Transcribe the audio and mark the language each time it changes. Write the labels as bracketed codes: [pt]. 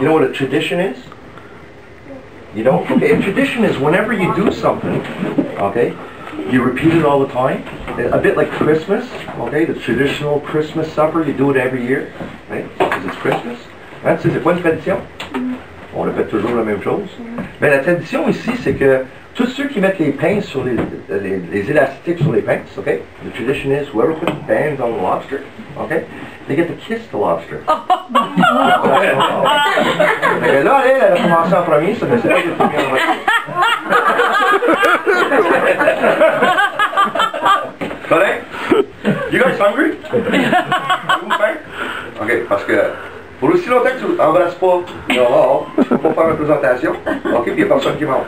[en] You know what a tradition is? You don't? Okay, a tradition is whenever you do something, okay, you repeat it all the time. A bit like Christmas, okay, the traditional Christmas supper, you do it every year, right? Because it's Christmas. [fr] Hein? C'est quoi une tradition? On répète toujours la même chose. Mais la tradition ici, c'est que tous ceux qui mettent les pinces sur les élastiques sur les pinces, okay? [en] The tradition is whoever puts the bands on the lobster, okay? They get to kiss the lobster. [fr] Mais là, elle a commencé en premier, ça fait c'est pas le premier. [en] Correct? You guys hungry? [fr] Okay, parce que pour aussi longtemps que tu n'embrasses pas, tu ne peux pas faire une présentation. Ok, puis il n'y a personne qui m'en.